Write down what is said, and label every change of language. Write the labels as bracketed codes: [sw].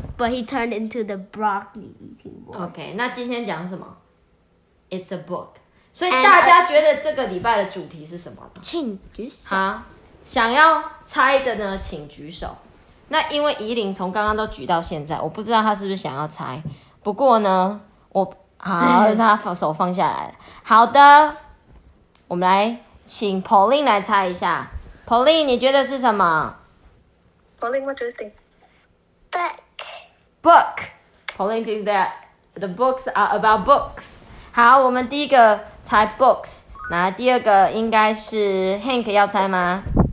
[en] But he turned into the Broccoli Eating Boy. [zh] Okay, 那今天讲什么？ [en] It's a book. [zh] 所以大家觉得这个礼拜的主题是什么呢？请举手。想要猜的呢，请举手。那因为怡琳从刚刚都举到现在，我不知道她是不是想要猜。不过呢，我好，她手放下来了。好的，我们来请 Pauline 来猜一下。 Pauline， 你觉得是什么 [en] ？Pauline， what do you think？ Book. Book. Pauline thinks that the books are about books. [zh] 好，我们第一个猜 books， 那第二个应该是 Hank 要猜吗？